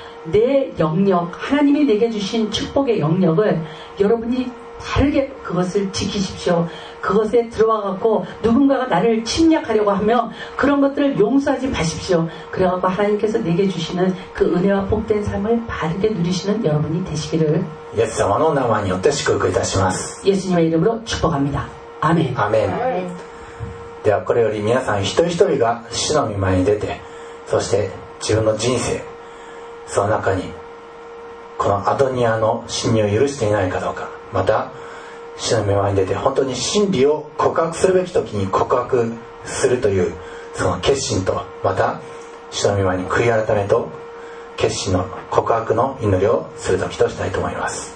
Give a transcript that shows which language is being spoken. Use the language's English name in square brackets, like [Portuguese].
[Korean] 내영역하나님이내게주신축복의영역을여러분이바르게그것을지키십시오그것에들어와갖고누군가가나를침략하려고하며그런것들을용서하지마십시오그래갖고하나님께서내게주시는그은혜와복된삶을바르게누리시는여러분이되시기를 [Japanese] 예수様の名前によって祝福いたします [Korean] 예수님의이름으로축복합니다아멘 [Japanese] 아멘ではこれより皆さん一人一人が主の御前に出てそして自分の人生その中にこのアドニアの侵入を許していないかどうかまた主の御前に出て本当に真理を告白するべき時に告白するというその決心とまた主の御前に悔い改めと決心の告白の祈りをする時としたいと思います